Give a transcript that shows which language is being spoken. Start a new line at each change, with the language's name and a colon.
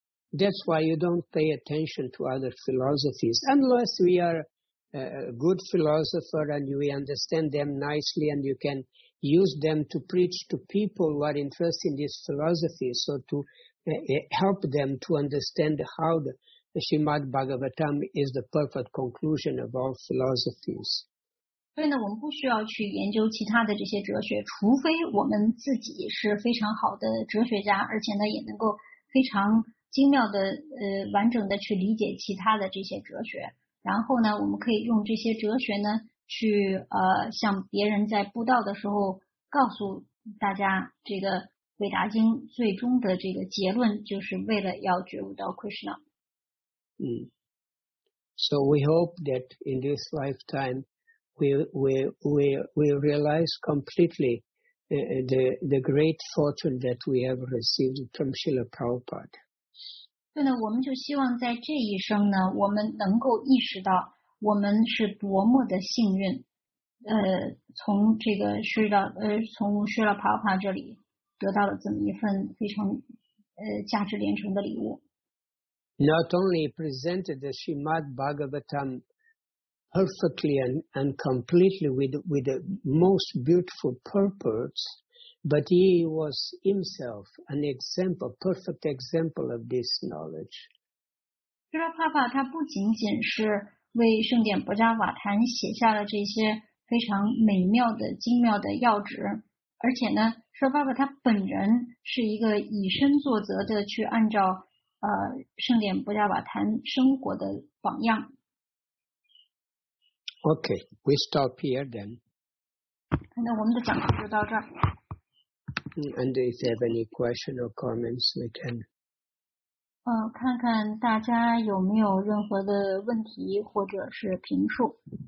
English: That's why you don't pay attention to other philosophies unless we are a good philosopher and we understand them nicely and you can use them to preach to people who are interested in this philosophy, so to help them to understand how the Srimad Bhagavatam is the perfect conclusion of all philosophies.
Chinese: 所以呢，我们不需要去研究其他的这些哲学，除非我们自己是非常好的哲学家，而且呢，也能够非常精妙的完整的去理解其他的这些哲学。然后呢，我们可以用这些哲学呢，去向别人在布道的时候告诉大家，这个《伟达经》最终的这个结论，就是为了要觉悟到 Krishna。
English: 嗯 ，So we hope that in this lifetime. We realize completely the great fortune that we have received from Srila Prabhupada.
Chinese: 对呢，我们就希望在这一生呢，我们能够意识到我们是多么的幸运。从这个从 Srila Prabhupada 这里得到了这么一份非常价值连城的礼物。
English: Not only presented the Srimad Bhagavatam. Perfectly and completely with the most beautiful purpose, but he was himself an example, perfect example of this knowledge.
Chinese: Srila Prabhupada, 他不仅仅是为圣典薄伽瓦坛写下了这些非常美妙的精妙的要旨，而且呢 ，Srila Prabhupada 他本人是一个以身作则的去按照圣典薄伽瓦坛生活的榜样。
English: Okay, we stop here then.
Chinese: 那我们的讲话就到这儿。
English: And if you have any question or comments, we can.
Chinese: 看看大家有没有任何的问题或者是评述。